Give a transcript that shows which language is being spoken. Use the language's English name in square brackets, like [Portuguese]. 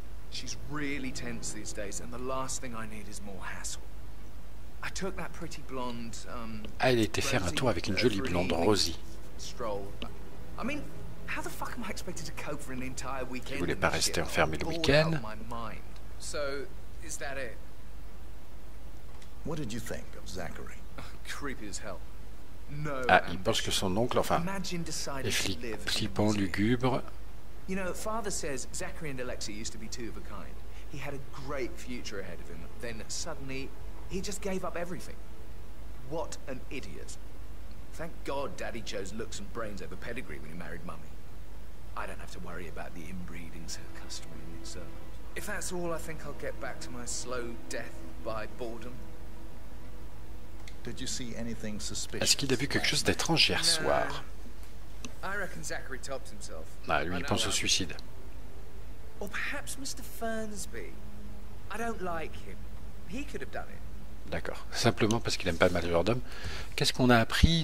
[English] She's really tense these days, and the last thing I need is more hassle. I took that pretty blonde, [French] Ah, il était faire un tour avec une jolie blonde, Rosie. [English] Stroll. I mean, how the fuck am I expected to cope for an entire weekend? [French] Il voulait pas rester enfermé le week-end. [English] So, is that it? What did you think of Zachary? Creepy as hell. No. [French] Ah, il pense que son oncle, enfin, est flippant, lugubre. [English] You know, father says Zachary and Alexei used to be two of a kind. He had a great future ahead of him. Then suddenly, he just gave up everything. What an idiot. Thank God daddy chose looks and brains over pedigree when he married mummy. I don't have to worry about the inbreedings of customary in itself. If that's all, I think I'll get back to my slow death by boredom. Did you see anything suspicious? [French] Est-ce qu'il a vu quelque chose d'étrange hier soir? [English] I reckon Zachary topped himself. [French] Ah, lui, il pense au suicide. [English] Or perhaps Mr. Fernsby. I don't like him. He could have done it. [French] D'accord. Simplement parce qu'il aime pas le majordome. Qu'est-ce qu'on a appris?